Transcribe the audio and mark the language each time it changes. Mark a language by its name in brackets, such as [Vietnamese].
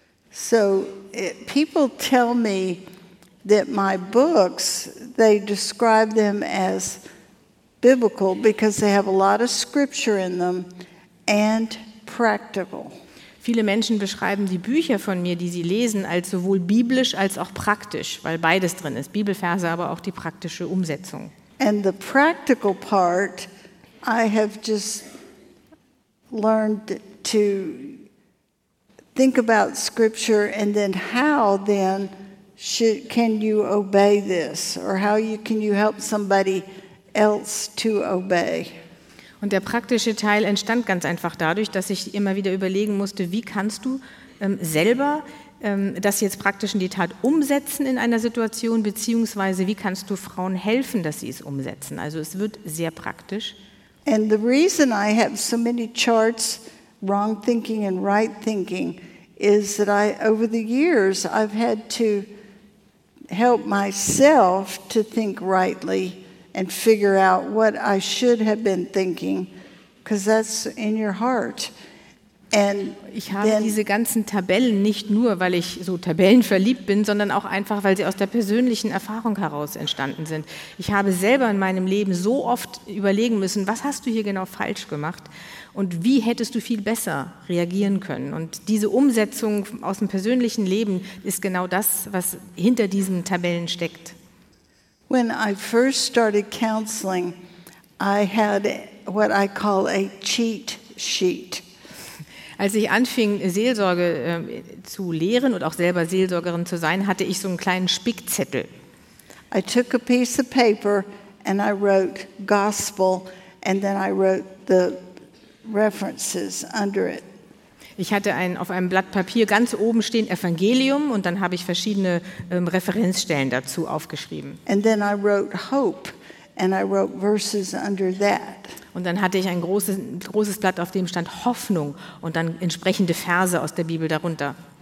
[English] So, people tell me that my books, they describe them as biblical because they have a lot of scripture in them and practical. [German] Viele Menschen beschreiben die Bücher von mir, die sie lesen, als sowohl biblisch als auch praktisch, weil beides drin ist, Bibelverse, aber auch die praktische Umsetzung. [English] And the practical part, I have just learned to think about scripture and then how then should, can you obey this or how you, can you help somebody else to obey. [German] Und der praktische Teil entstand ganz einfach dadurch, dass ich immer wieder überlegen musste, wie kannst du selber das jetzt praktisch in die Tat umsetzen in einer Situation, beziehungsweise wie kannst du Frauen helfen, dass sie es umsetzen. Also es wird sehr praktisch. [English] And the reason I have so many charts, wrong thinking and right thinking, is that I, over the years, I've had to help myself to think rightly and figure out what I should have been thinking, because that's in your heart. And [German] ich habe [English] then, [German] diese ganzen Tabellen nicht nur, weil ich so tabellenverliebt bin, sondern auch einfach, weil sie aus der persönlichen Erfahrung heraus entstanden sind. Ich habe selber in meinem Leben so oft überlegen müssen, was hast du hier genau falsch gemacht und wie hättest du viel besser reagieren können. Und diese Umsetzung aus dem persönlichen Leben ist genau das, was hinter diesen Tabellen steckt. [English] When I first started counseling, I had what I call a cheat sheet. [German] Als ich anfing, Seelsorge zu lehren und auch selber Seelsorgerin zu sein, hatte ich so einen kleinen Spickzettel. [English] I took a piece of paper and I wrote gospel and then I wrote the references under it. [German] Ich hatte auf einem Blatt Papier ganz oben stehen Evangelium und dann habe ich verschiedene Referenzstellen dazu aufgeschrieben. [English] And then I wrote hope and I wrote verses under that. [German] Und dann hatte ich ein großes Blatt, auf dem stand Hoffnung und dann entsprechende Verse aus der Bibel darunter.